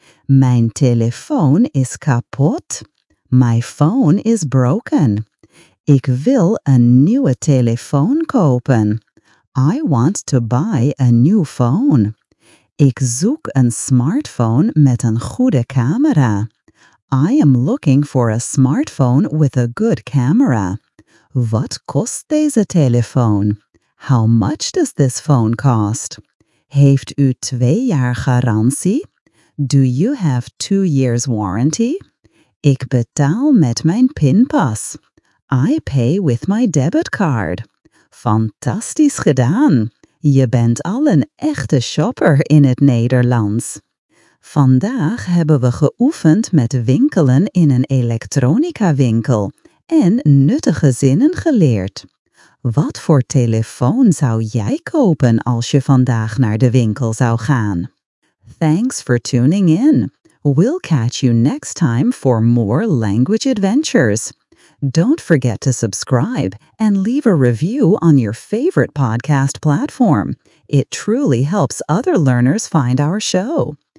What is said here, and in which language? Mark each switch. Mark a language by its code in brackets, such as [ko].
[nl] Mijn telefoon is kapot. [en] My phone is broken. [nl] Ik wil een nieuwe telefoon kopen. [en] I want to buy a new phone. [nl] Ik zoek een smartphone met een goede camera. [en] I am looking for a smartphone with a good camera. [nl] Wat kost deze telefoon? [en] How much does this phone cost? [nl] Heeft u 2 jaar garantie? [en] Do you have 2 years warranty? [nl] Ik betaal met mijn pinpas. [en] I pay with my debit card. [nl] Fantastisch gedaan! Je bent al een echte shopper in het Nederlands. Vandaag hebben we geoefend met winkelen in een elektronica winkel en nuttige zinnen geleerd. Wat voor telefoon zou jij kopen als je vandaag naar de winkel zou gaan? [en] Thanks for tuning in. We'll catch you next time for more language adventures. Don't forget to subscribe and leave a review on your favorite podcast platform. It truly helps other learners find our show.